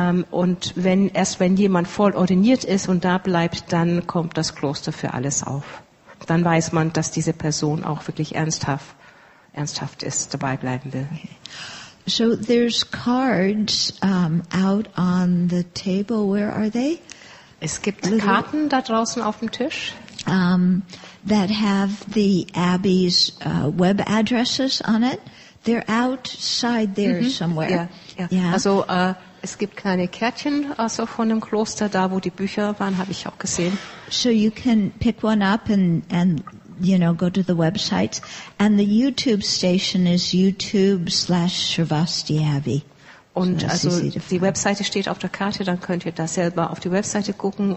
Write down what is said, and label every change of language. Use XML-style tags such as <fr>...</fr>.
<de>Und wenn jemand voll ordiniert ist und da bleibt, dann kommt das Kloster für alles auf. Dann weiß man, dass diese Person auch wirklich ernsthaft ist, dabei bleiben will.</de> <en>Okay. So there's cards out on the table. Where are they?</en> <de>Es gibt Karten da draußen auf dem Tisch.</de> <en>That have the Abbey's web addresses on it. They're outside there somewhere. Yeah.</en> <de>Also es gibt kleine Kärtchen also von dem Kloster, da wo die Bücher waren, habe ich auch gesehen.</de> <en>So you can pick one up and go to the website. And the YouTube station is youtube.com/Srivasti Abbey.</en> <de>Und so also die Webseite steht auf der Karte, dann könnt ihr da selber auf die Webseite gucken.</de>